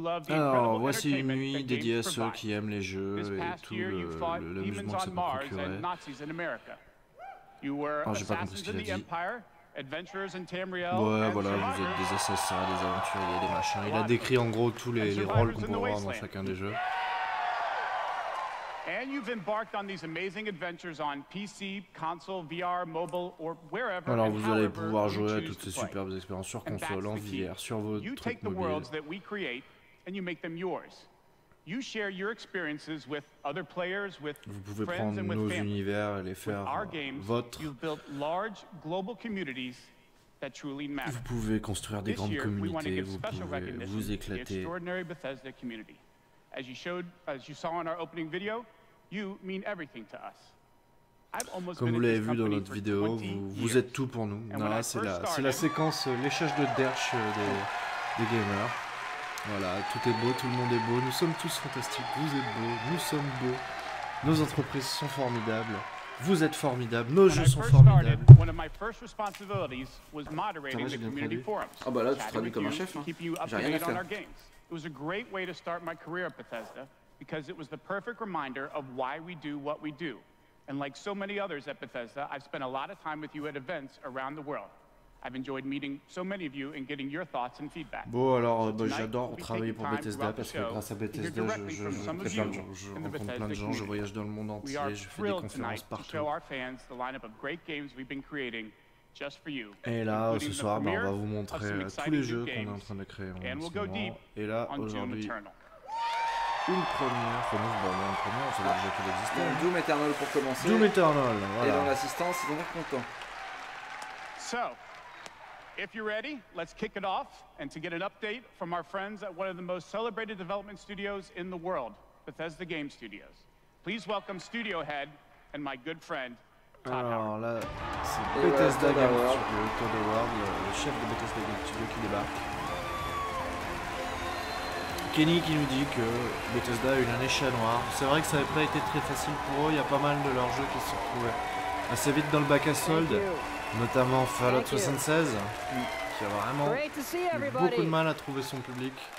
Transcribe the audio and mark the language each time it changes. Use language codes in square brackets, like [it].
[fr] Alors, voici une nuit dédiée à ceux qui aiment les jeux et tout l'amusement que ça peut procurer. Oh, j'ai pas compris ce qu'il a dit. Ouais, voilà, vous êtes des assassins, des aventuriers, des machins. Il a décrit en gros tous les rôles qu'on pourra avoir dans chacun des jeux. [en] And you've embarked on these amazing adventures on PC, console, VR, mobile, or wherever. [fr] Alors vous allez pouvoir jouer à toutes ces superbes expériences sur console, en VR, sur votre mobile. [en] You take the worlds that we create and you make them yours. You share your experiences with other players, with friends and with family. [fr] Vous pouvez prendre nos univers et les faire votre. [en] You've built large global communities that truly matter. [fr] Vous pouvez construire des grandes communautés, vous pouvez vous éclater. [en] Extraordinary Bethesda community. As you saw in our opening video, you mean everything to us. [fr] Comme vous l'avez vu dans notre vidéo, vous êtes tout pour nous. Non, c'est la séquence l'échage de Dersh des gamers. Voilà, tout est beau, tout le monde est beau, nous sommes tous fantastiques, vous êtes beaux, nous sommes beaux, nos entreprises sont formidables, vous êtes formidables, nos jeux sont formidables. Ah bah là, tu traduis comme un chef, hein. J'ai rien à faire. [en] It was a great way to start my career at Bethesda because it was the perfect reminder of why we do what we do. And like so many others at Bethesda, I've spent a lot of time with you at events around the world. I've enjoyed meeting so many of you and getting your thoughts and feedback. [fr] Bon, alors, tonight, j'adore travailler pour Bethesda parce que grâce à Bethesda, je rencontre plein de gens, je voyage dans le monde entier, je fais des conférences partout. [en] We are thrilled to show our fans the lineup of great games we've been creating. Just for you. [fr] Et là, ce soir, on va vous montrer tous les jeux qu'on est en train de créer en ce moment. Et là, aujourd'hui, une première, c'est déjà qu'il existait. Donc, Doom Eternal pour commencer. Doom Eternal, voilà. Et dans l'assistance, ils vont être contents. [en] So, if you're ready, let's kick it off. And to get an update from our friends at one of the most celebrated development studios in the world, Bethesda Game Studios. Please welcome studio head and my good friend, [fr] alors là, c'est Bethesda Game Studio, le chef de Bethesda Game Studio qui débarque. Kenny qui nous dit que Bethesda a eu une année chat noire. C'est vrai que ça n'avait pas été très facile pour eux, il y a pas mal de leurs jeux qui se retrouvaient assez vite dans le bac à soldes, notamment Fallout 76, qui a vraiment eu beaucoup de mal à trouver son public.